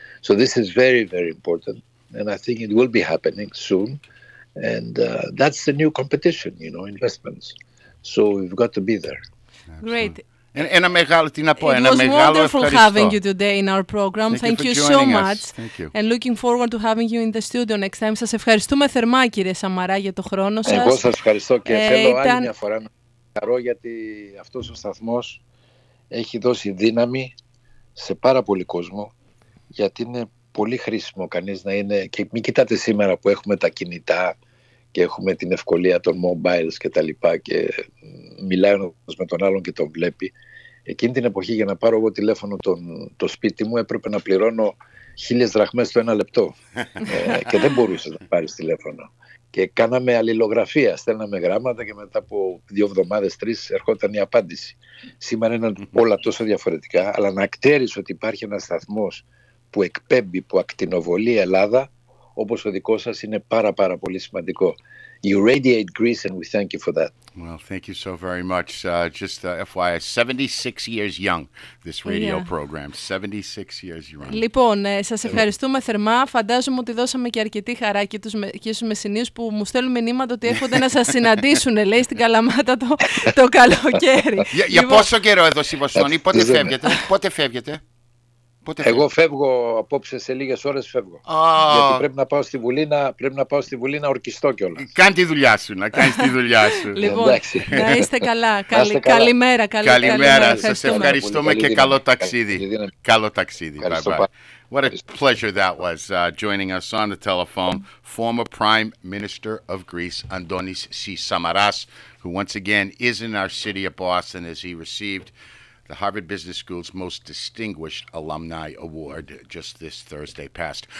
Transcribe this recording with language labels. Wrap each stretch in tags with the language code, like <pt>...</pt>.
<en>So this is very, very important. And I think it will be happening soon. And that's the new competition, you know, investments. So we've got to be there. Great.</en> <el>Ένα μεγάλο, τι να πω,</el> <en>it</en> <el>ένα</el> <en>was</en> <el>μεγάλο</el> <en>wonderful</en> <el>ευχαριστώ.</el> <en>Having you today in our program. Thank you so much. And looking forward to having you in the studio next time.</en> <el>Σας ευχαριστούμε θερμά, κύριε Σαμαρά, για το χρόνο σας. Εγώ σας ευχαριστώ και θέλω ήταν... άλλη μια φορά να χαρώ, γιατί αυτός ο σταθμός έχει δώσει δύναμη σε πάρα πολύ κόσμο, γιατί είναι πολύ χρήσιμο κανείς να είναι... Και μην κοιτάτε σήμερα που έχουμε τα κινητά και έχουμε την ευκολία των mobiles και τα λοιπά και μιλάει με τον άλλον και τον βλέπει. Εκείνη την εποχή για να πάρω εγώ τηλέφωνο το σπίτι μου έπρεπε να πληρώνω 1000 δραχμές το ένα λεπτό και δεν μπορούσε να πάρεις τηλέφωνο. Και κάναμε αλληλογραφία, στέλναμε γράμματα και μετά από 2 εβδομάδες, 3 ερχόταν η απάντηση. Σήμερα είναι όλα τόσο διαφορετικά, αλλά να ξέρεις ότι υπάρχει ένας σταθμός που εκπέμπει, που ακτινοβολεί η Ελλάδα, όπως ο δικός σας, είναι πάρα πάρα πολύ σημαντικό.</el> <en>You radiate Greece, and we thank you for that. Well, thank you so very much. Just FYI, 76 years young, this radio program. 76 years young.</en> <el>Λοιπόν, σας ευχαριστούμε θερμά. Φαντάζομαι ότι δώσαμε και αρκετή χαρά και στους μεσηνείς που μου στέλνουν μηνύματα ότι έρχονται να σας συναντήσουν, λέει, στην Καλαμάτα το καλοκαίρι. Για πόσο καιρό εδώ στη Βοστόνη, πότε φεύγετε, πότε φεύγετε. Εγώ φεύγω απόψε, σε λίγες ώρες φεύγω. Γιατί πρέπει να πάω στη Βουλή να ορκιστώ κιόλας. Κάνε τη δουλειά σου, να κάνεις τη δουλειά σου. Λοιπόν, να είστε καλά. Καλημέρα. Καλημέρα. Σας ευχαριστούμε και καλό ταξίδι. Καλό ταξίδι.</el> <en>What a pleasure that was, joining us on the telephone, former Prime Minister of Greece, Antonis Tsamaras, who once again is in our city of Boston as he received the Harvard Business School's Most Distinguished Alumni Award just this Thursday past.</en>